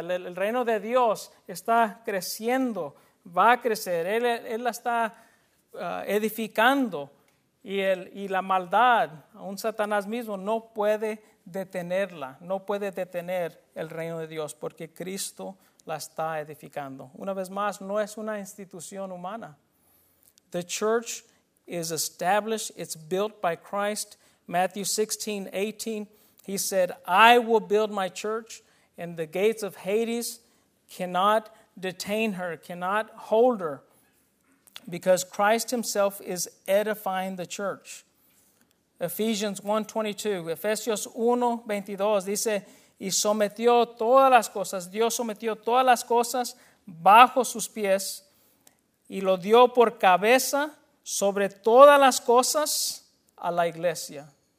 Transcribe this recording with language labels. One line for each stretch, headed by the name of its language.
Spanish: El reino de Dios está creciendo, va a crecer, él la está edificando, y la maldad, aún Satanás mismo, no puede detenerla, no puede detener el reino de Dios, porque Cristo la está edificando. Una vez más, no es una institución humana.
English: The church is established, it's built by Christ. Matthew 16:18, he said, I will build my church, and the gates of Hades cannot detain her, cannot hold her, because Christ himself is edifying the church.
Spanish: Ephesians 1:22, Efesios 1:22 dice, y sometió todas las cosas, Dios sometió todas las cosas bajo sus pies, y lo dio por cabeza sobre todas las cosas a la iglesia.